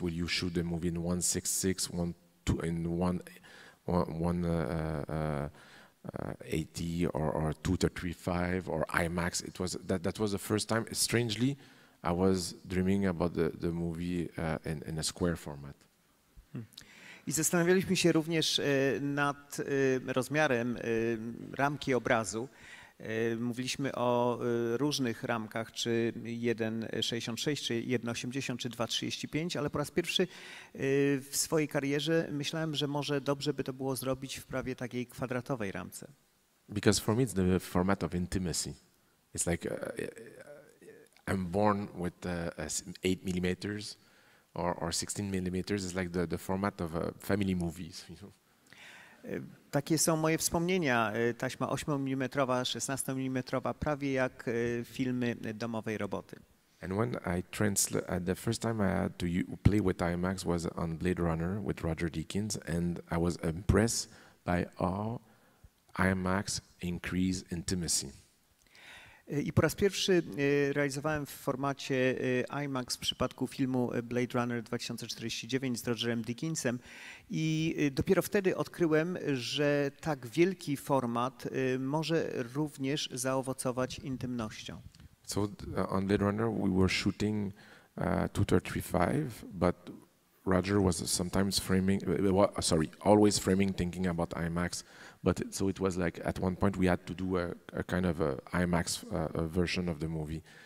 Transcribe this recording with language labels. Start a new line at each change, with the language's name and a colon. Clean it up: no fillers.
English: Will you shoot the movie in 1.66, 1.2, in 1.80 or 2.35 or IMAX? It was that was the first time. Strangely, I was dreaming about the movie in a square format.
Polish: I zastanawialiśmy się również nad rozmiarem ramki obrazu. Mówiliśmy o różnych ramkach, czy 1.66, czy 1.80, czy 2.35, ale po raz pierwszy w swojej karierze myślałem, że może dobrze by to było zrobić w prawie takiej kwadratowej ramce.
English: Because for me it's the format of intimacy. It's like I'm born with 8 millimeters or 16 millimeters. It's like the format of family movies, you know?
Polish: Takie są moje wspomnienia. Taśma 8-milimetrowa, 16-milimetrowa, prawie jak filmy domowej roboty.
English: And when I the first time I had to play with IMAX was on Blade Runner with Roger Deakins, and I was impressed by how IMAX increased intimacy.
Polish: I po raz pierwszy realizowałem w formacie IMAX w przypadku filmu Blade Runner 2049 z Rogerem Deakinsem i dopiero wtedy odkryłem, że tak wielki format może również zaowocować intymnością.
English: So on Blade Runner we were shooting 2.35, but Roger was sometimes framing, always framing, thinking about IMAX. But so it was like at one point we had to do a kind of a IMAX a version of the movie.